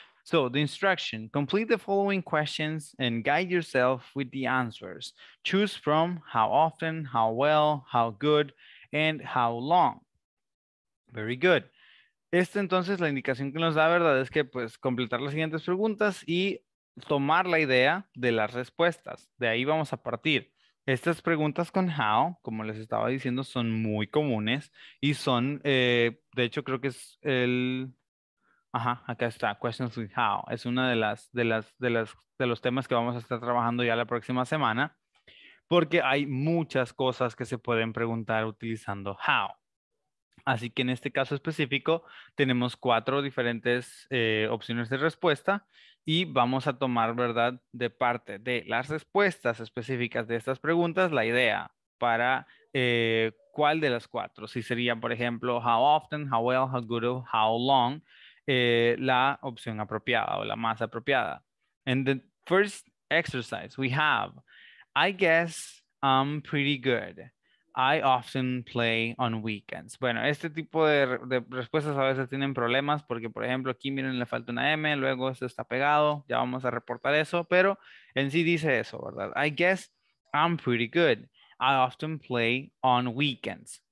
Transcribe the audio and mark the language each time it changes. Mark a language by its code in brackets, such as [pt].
[en] So the instruction, complete the following questions and guide yourself with the answers. Choose from how often, how well, how good, and how long. Very good. [es] Esta entonces la indicación que nos da, ¿verdad? Es que pues completar las siguientes preguntas y tomar la idea de las respuestas. De ahí vamos a partir. Estas preguntas con how, como les estaba diciendo, son muy comunes y son, de hecho creo que es el... Ajá, acá está, [en] questions with how. [es] Es una de los temas que vamos a estar trabajando ya la próxima semana, porque hay muchas cosas que se pueden preguntar utilizando how. Así que en este caso específico tenemos cuatro diferentes opciones de respuesta y vamos a tomar, ¿verdad?, de parte de las respuestas específicas de estas preguntas la idea para cuál de las cuatro. Si sería, por ejemplo, [en] how often, how well, how good, how long, [es] la opción apropiada o la más apropiada. [en] And the first exercise we have, I guess I'm pretty good. I often play on weekends. [es] Bueno, este tipo de respuestas a veces tienen problemas porque, por ejemplo, aquí miren, le falta una M, luego esto está pegado, ya vamos a reportar eso, pero en sí dice eso, ¿verdad? [en] I guess I'm pretty good. I often play on weekends.